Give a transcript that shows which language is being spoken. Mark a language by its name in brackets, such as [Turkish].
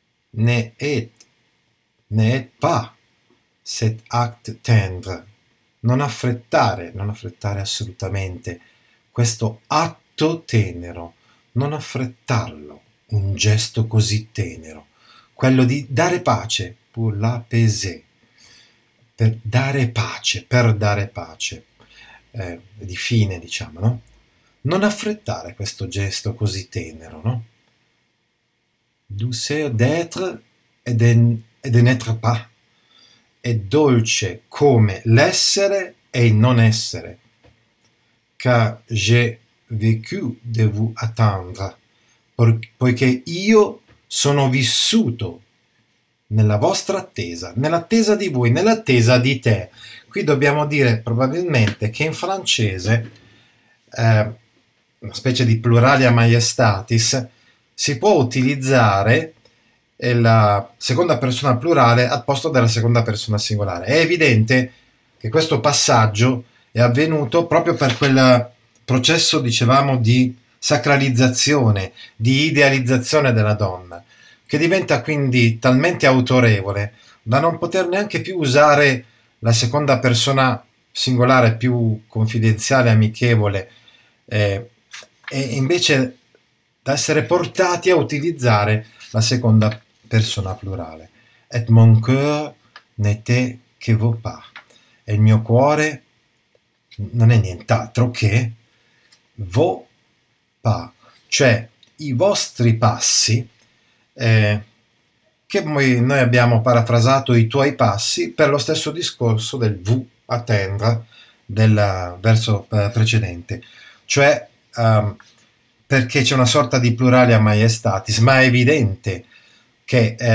[French] Ne est pas cet acte tendre, [Italian] non affrettare assolutamente questo atto tenero, non affrettarlo, un gesto così tenero, quello di dare pace, [French] pour la paix, [Italian] per dare pace, di fine, diciamo, no? Non affrettare questo gesto così tenero, no? [French] Douceur d'être et de n'être pas. [Italian] È dolce come l'essere e il non essere. [French] Car j'ai vécu de vous attendre, [Italian] poiché io sono vissuto nella vostra attesa, nell'attesa di voi, nell'attesa di te. Qui dobbiamo dire probabilmente che in francese, una specie di plurale a maiestatis, si può utilizzare la seconda persona plurale al posto della seconda persona singolare. È evidente che questo passaggio è avvenuto proprio per quel processo, dicevamo, di sacralizzazione, di idealizzazione della donna, che diventa quindi talmente autorevole da non poter neanche più usare la seconda persona singolare più confidenziale, amichevole, e invece da essere portati a utilizzare la seconda persona plurale. [French] Et mon cœur n'était que vos pas. [Italian] E il mio cuore non è nient'altro che [French] vos pas, [Italian] cioè i vostri passi, che noi abbiamo parafrasato i tuoi passi per lo stesso discorso del [French] vous attendre [Italian] del verso precedente, cioè perché c'è una sorta di plurale a maiestatis, ma è evidente che